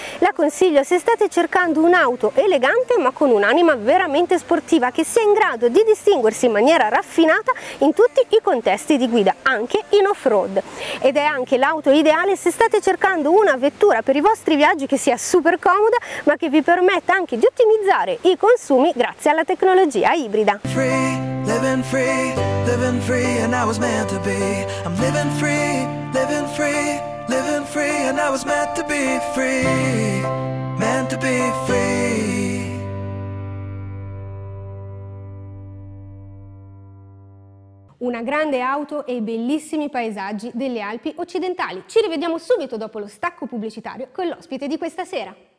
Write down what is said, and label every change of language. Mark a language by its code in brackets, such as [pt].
[it] La consiglio se state cercando un'auto elegante ma con un'anima veramente sportiva che sia in grado di distinguersi in maniera raffinata in tutti i contesti di guida, anche in off-road. Ed è anche l'auto ideale se state cercando una vettura per i vostri viaggi che sia super comoda ma che vi permetta anche di ottimizzare i consumi grazie alla tecnologia ibrida. [en] Living free, living free, and I was meant to be. I'm living free, living free, living free, and I was meant to be free, meant to be free. [it] una grande auto e i bellissimi paesaggi delle Alpi occidentali. Ci rivediamo subito dopo lo stacco pubblicitario con l'ospite di questa sera.